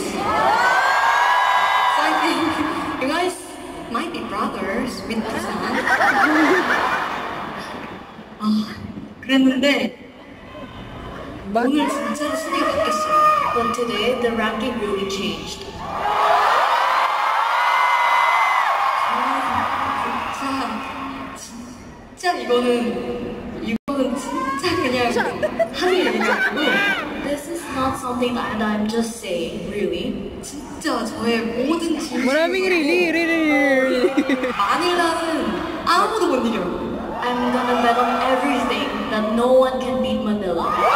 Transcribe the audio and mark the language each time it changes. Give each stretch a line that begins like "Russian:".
English: So I think you guys might be brothers with Busan.
Korean: 아, 그랬는데 오늘 진짜 순위 바뀌었어요.
English: But today the ranking really changed.
Korean: 진짜, 진짜 이거는 진짜 그냥 하는 얘기가 아니고
English: not something that I'm just saying, really.
Korean: 진짜 저의 모든 진심으로 마닐라는 아무도 못 이겨.
English: I'm gonna bet on everything that no one can beat Manila.